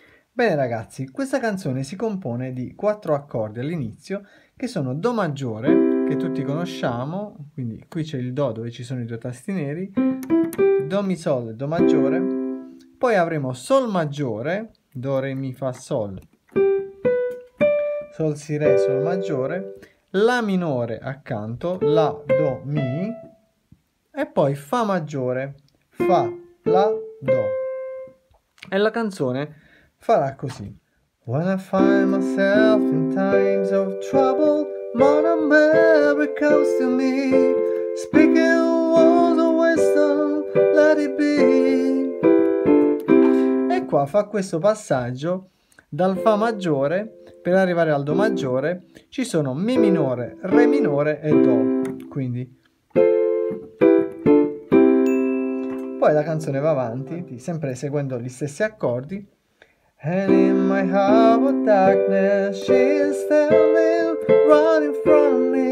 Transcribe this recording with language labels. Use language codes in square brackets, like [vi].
[it] Bene ragazzi, questa canzone si compone di quattro accordi all'inizio che sono Do maggiore, che tutti conosciamo, quindi qui c'è il Do dove ci sono i due tasti neri, Do mi sol, Do maggiore, poi avremo Sol maggiore, Do re mi fa sol, Sol si re, Sol maggiore, La minore accanto, La do mi, e poi Fa maggiore, Fa la do. E la canzone farà così. [en] When I find myself in times of trouble, Modern memory comes to me, speaking words of wisdom, let it be. [it] E qua fa questo passaggio dal Fa maggiore per arrivare al Do maggiore. Ci sono Mi minore, Re minore e Do. Quindi. Poi la canzone va avanti, sempre seguendo gli stessi accordi. [en] And in my heart of darkness, she is standing right in front.